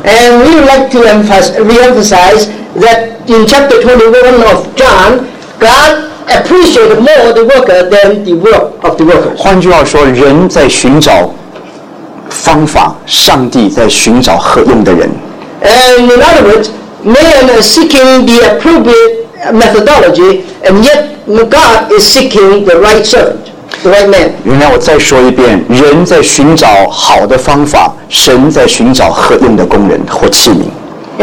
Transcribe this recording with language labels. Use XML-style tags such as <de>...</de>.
<en>And we would like to reemphasize that in chapter 21 of John, God appreciated more the worker than the work of the workers.</en> <zh>换句话说，人在寻找 方法,</zh> <en>and in other words, man is seeking the appropriate methodology, and yet God is seeking the right servant, the right man.</en> <zh>原来我再说一遍，人在寻找好的方法， 神在寻找合用的工人或器皿。</zh>